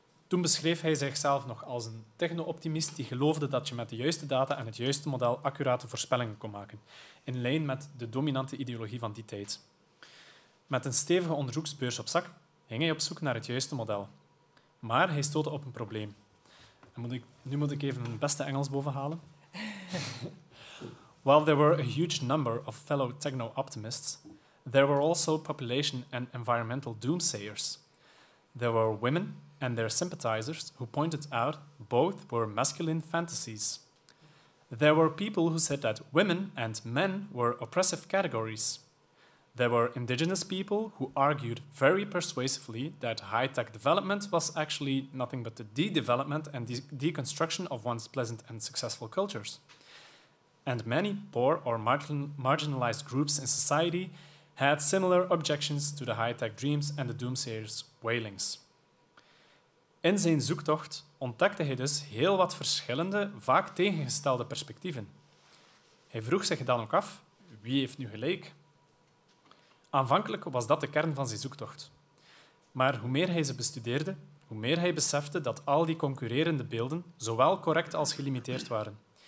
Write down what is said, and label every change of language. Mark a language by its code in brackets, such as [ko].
[nl] Toen beschreef hij zichzelf nog als een techno-optimist die geloofde dat je met de juiste data en het juiste model accurate voorspellingen kon maken, in lijn met de dominante ideologie van die tijd. Met een stevige onderzoeksbeurs op zak ging hij op zoek naar het juiste model. Maar hij stootte op een probleem. Nu moet ik even mijn beste Engels bovenhalen. [en] While there were a huge number of fellow techno-optimists, there were also population and environmental doomsayers. There were women and their sympathizers who pointed out both were masculine fantasies. There were people who said that women and men were oppressive categories. There were indigenous people who argued very persuasively that high-tech development was actually nothing but the de-development and deconstruction of one's pleasant and successful cultures. And many poor or marginalized groups in society had similar objections to the high-tech dreams and the doomsayers' wailings. [nl] In zijn zoektocht ontdekte hij dus heel wat verschillende, vaak tegengestelde perspectieven. Hij vroeg zich dan ook af, wie heeft nu gelijk? Aanvankelijk was dat de kern van zijn zoektocht. Maar hoe meer hij ze bestudeerde, hoe meer hij besefte dat al die concurrerende beelden zowel correct als gelimiteerd waren.